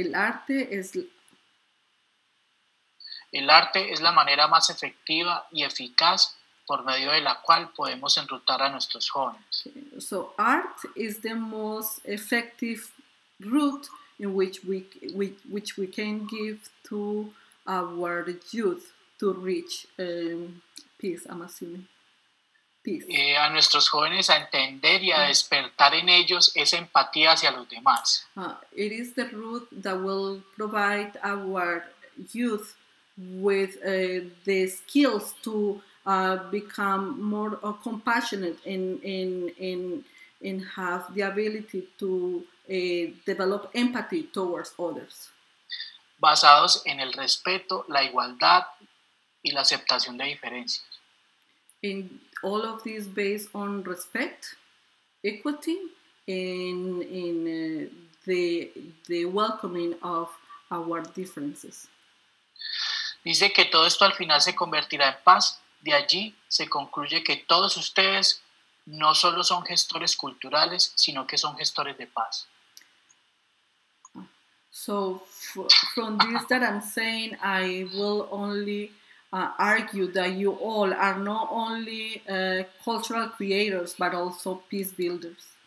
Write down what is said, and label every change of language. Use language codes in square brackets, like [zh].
[es] el arte es la manera más efectiva y eficaz por medio de la cual podemos enrutar a nuestros jóvenes. [en] Okay. So art is the most effective route in which we can give to our youth to reach peace, I'm assuming. Peace. [es] A nuestros jóvenes a entender y a despertar en ellos esa empatía hacia los demás. [en] It is the route that will provide our youth with the skills to become more compassionate and have the ability to develop empathy towards others. [es] Basados en el respeto, la igualdad y la aceptación de diferencias. [en] In all of these based on respect, equity, and in the welcoming of our differences. [es] Dice que todo esto al final se convertirá en paz. De allí se concluye que todos ustedes no solo son gestores culturales, sino que son gestores de paz. [en] So from this that I'm saying, I will only argue that you all are not only cultural creators, but also peace builders.